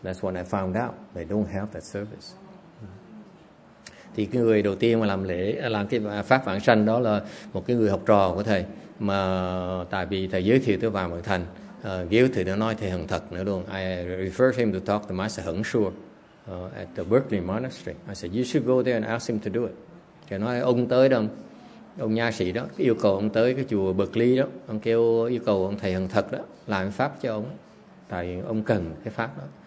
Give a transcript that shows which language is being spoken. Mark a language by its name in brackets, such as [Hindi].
[English] That's when I found out they don't have that service. [Vietnamese] Thì cái người đầu tiên mà làm lễ làm cái pháp vãng sanh đó là một cái người học trò của thầy, mà tại vì thầy giới thiệu tới Phạm Vật Thành, giới thiệu nó nói thầy Hằng Thật nữa luôn. [English] I referred him to talk to Master Hằng Sure at the Berkeley Monastery. I said, you should go there and ask him to do it. [Vietnamese] Thì nói ông tới đâu, ông nha sĩ đó, yêu cầu ông tới cái chùa Berkeley đó, ông kêu yêu cầu ông thầy Hằng Thật đó làm pháp cho ông, tại ông cần cái pháp đó.